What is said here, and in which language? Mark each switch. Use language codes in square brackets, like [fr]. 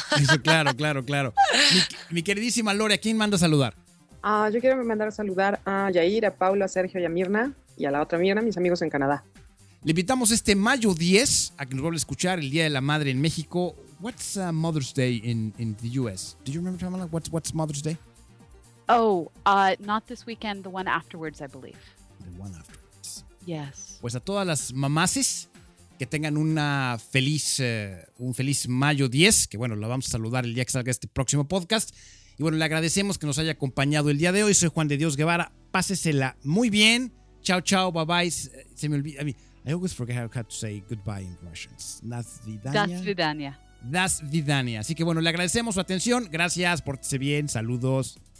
[es] Eso, claro, claro, claro. Mi queridísima Lore, ¿a quién manda saludar? Yo quiero mandar a saludar a Yair, a Paula, a Sergio y a Mirna y a la otra Mirna, mis amigos en Canadá. Le invitamos este mayo 10 a que nos vuelva a escuchar el Día de la Madre en México. [en] What's Mother's Day in the US? Do you remember, Pamela? What's Mother's Day? Oh, not this weekend, the one afterwards, I believe. The one afterwards. Yes. [es] Pues a todas las mamases, que tengan una feliz, un feliz mayo 10, que bueno, la vamos a saludar el día que salga este próximo podcast. Y bueno, le agradecemos que nos haya acompañado el día de hoy. Soy Juan de Dios Guevara. Pásesela muy bien. Chao, chao. [en] Bye, bye. [es] Se me olvida. [en] I always forget how to say goodbye in Russian. [ru] Das Vidania. Das Vidania. Das Vidania. [es] Así que bueno, le agradecemos su atención. Gracias. Pórtese bien. Saludos.